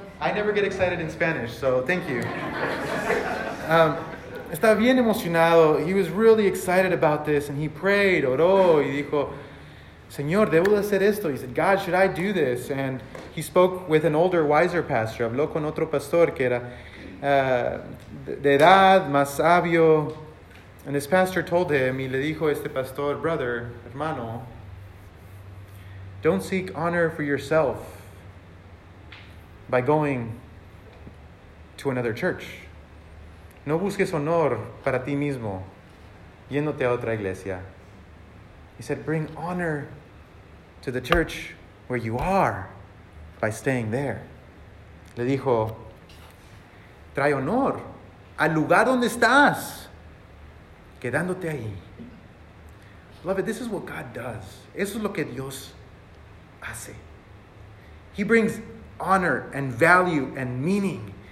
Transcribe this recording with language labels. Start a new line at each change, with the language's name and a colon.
English: I never get excited in Spanish, so thank you.
Spanish: Estaba bien emocionado.
English: He was really excited about this, and he prayed,
Spanish: oró, y dijo, Señor, ¿debo hacer esto?
English: He said, God, should I do this? And he spoke with an older, wiser pastor.
Spanish: Habló con otro pastor que era de edad, más sabio.
English: And his pastor told him,
Spanish: y le dijo este pastor,
English: brother,
Spanish: hermano,
English: don't seek honor for yourself by going to another church.
Spanish: No busques honor para ti mismo yéndote a otra iglesia.
English: He said, bring honor to the church where you are by staying there.
Spanish: Le dijo, trae honor al lugar donde estás quedándote ahí.
English: Beloved, this is what God does.
Spanish: Eso es lo que Dios hace.
English: He brings honor and value and meaning.